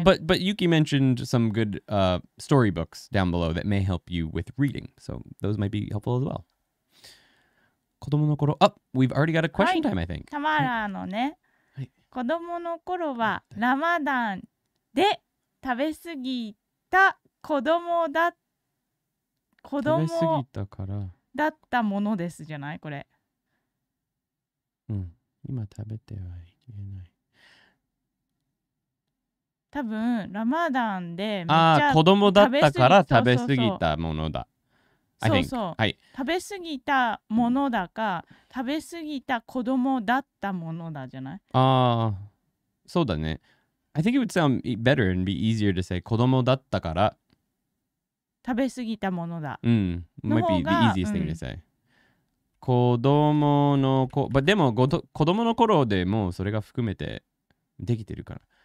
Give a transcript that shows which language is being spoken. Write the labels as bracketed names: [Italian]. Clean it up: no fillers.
[English] But Yuki mentioned some good storybooks down below that may help you with reading. So those might be helpful as well. [Japanese] 子供の頃… [English] Oh, we've already got a question time, I think. [Japanese] タマラのね。子供の頃はラマダンで食べ過ぎた子供だ。子供食べ過ぎたから… だったものですじゃないこれ。うん、今食べてはいけない。多分ラマダンでめっちゃ子供だったから食べ過ぎたものだ。そうそう。はい。食べ過ぎたものだか、食べ過ぎた子供だったものだじゃない？ああ、そうだね。 [English] I think it would sound better and be easier to say [Japanese] 子供だったから食べ過ぎたものだ。 [English] うん。Might be the easiest thing to say. [Japanese] 子供の子、でも子供の頃でもそれが含めてできてるから。